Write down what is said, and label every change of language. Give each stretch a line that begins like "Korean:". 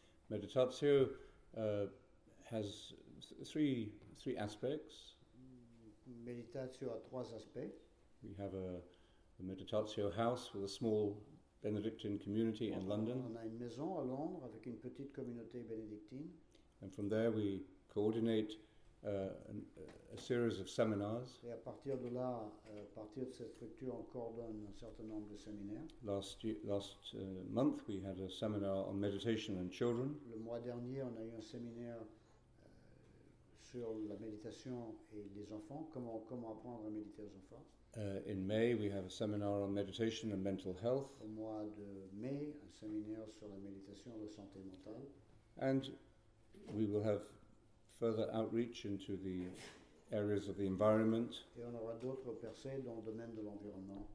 English: Meditatio has three aspects.
French: Meditatio a trois aspects.
English: We have a Meditatio house with a small Benedictine community in London.
French: On a une maison à Londres avec une petite communauté bénédictine.
English: And from there we coordinate a series of seminars.
French: Et à partir de là, à partir de cette structure, on coordonne un certain nombre de séminaires.
English: Last month we had a seminar on meditation and children.
French: Le mois dernier, on a eu un séminaire sur la méditation et les enfants, comment apprendre à méditer aux enfants.
English: In May we have a seminar on meditation and mental health.
French: Au mois de mai, un séminaire sur la méditation et la santé mentale.
English: And we will have further outreach into the areas of the environment.
French: Et on aura d'autres percées dans le domaine de l'environnement.